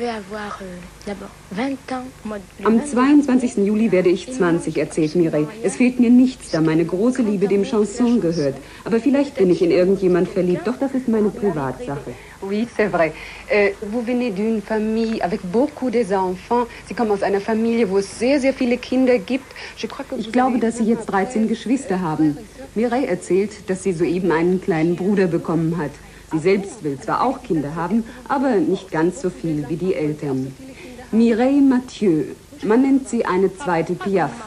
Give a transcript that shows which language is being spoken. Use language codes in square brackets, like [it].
[de] Am 22. Juli werde ich 20, erzählt Mireille. Es fehlt mir nichts, da meine große Liebe dem Chanson gehört. Aber vielleicht bin ich in irgendjemand verliebt, doch das ist meine Privatsache. [fr] Oui, c'est vrai. Vous venez d'une famille avec beaucoup des enfants. [de] Sie kommen aus einer Familie, wo es sehr, sehr viele Kinder gibt. Ich glaube, dass Sie jetzt 13 Geschwister haben. Mireille erzählt, dass sie soeben einen kleinen Bruder bekommen hat. Sie selbst will zwar auch Kinder haben, aber nicht ganz so viel wie die Eltern. Mireille Mathieu, man nennt sie eine zweite Piaf.